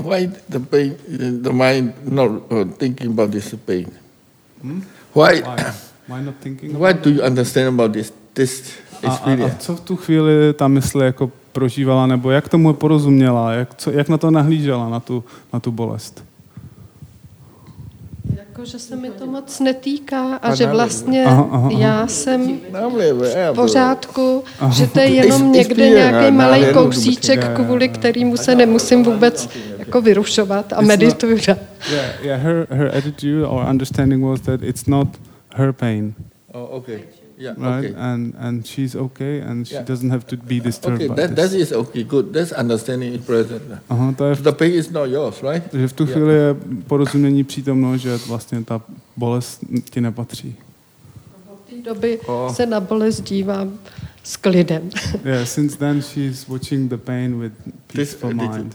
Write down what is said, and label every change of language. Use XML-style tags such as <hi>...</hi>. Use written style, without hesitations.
<en>Why the pain, the mind not thinking about this pain? Why not thinking about it? Why do you understand about this experience?</en> <cs>A co v tu chvíli ta mysl jako prožívala, nebo jak tomu porozuměla, jak na to nahlížela, na tu bolest? Jako, že se mi to moc netýká a že vlastně já jsem v pořádku, že to je jenom někde nějaký malý kousíček, kvůli kterému se nemusím vůbec jako vyrušovat a medituji.</cs> <en>Her attitude or understanding was that it's not her pain. Oh, okay. Yeah, right. Okay. And she's okay, and she doesn't have to be disturbed. Okay, that is okay. Good. That's understanding is present. The pain is not yours, right?</en> <cs>Že v tu chvíli je porozumění přítomno, že vlastně ta bolest ti nepatří. Od té doby se na bolest dívám s klidem.</cs> <en>Yeah. Since then, she's watching the pain with peaceful mind.</en>